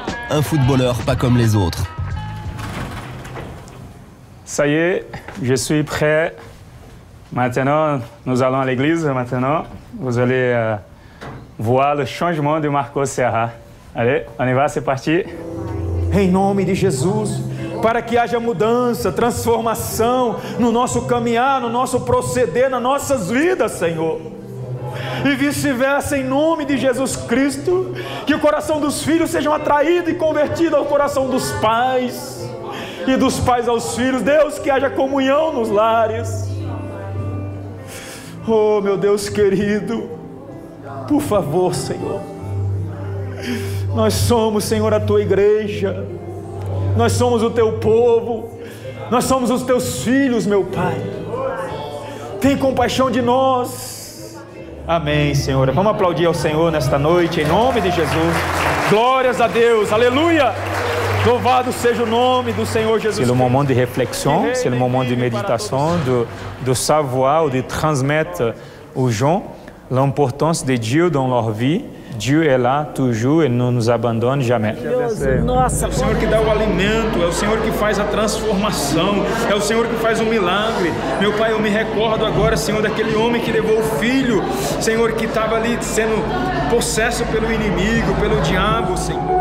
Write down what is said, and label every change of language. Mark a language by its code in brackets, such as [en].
[fr] Un footballeur pas comme les autres. Ça y est, je suis prêt. Maintenant, nous allons à l'église. Maintenant, vous allez voir le changement de Marcos Ceará. Allez, on y va, c'est parti. [pt] Em nome de Jesus, para que haja mudança, transformação no nosso caminhar, no nosso proceder, nas nossas vidas, Senhor. E vice-versa, em nome de Jesus Cristo, que o coração dos filhos seja atraído e convertido ao coração dos pais, e dos pais aos filhos. Deus, que haja comunhão nos lares. Oh, meu Deus querido, por favor, Senhor, nós somos, Senhor, a tua igreja, nós somos o teu povo, nós somos os teus filhos, meu Pai. Tem compaixão de nós. Amém, Senhor. Vamos aplaudir ao Senhor nesta noite, em nome de Jesus. Glórias a Deus. Aleluia. Louvado seja o nome do Senhor Jesus. [fr] C'est le moment de réflexion, c'est le moment de méditation, de savoir, de transmettre aux gens l'importance de Dieu dans leur vie. Dieu est là toujours et ne nous abandonne jamais. [pt] Nossa, é o Senhor que dá o alimento, é o Senhor que faz a transformação, é o Senhor que faz o milagre. Meu Pai, eu me recordo agora, Senhor, daquele homem que levou o filho, Senhor, que estava ali sendo possesso pelo inimigo, pelo diabo, Senhor.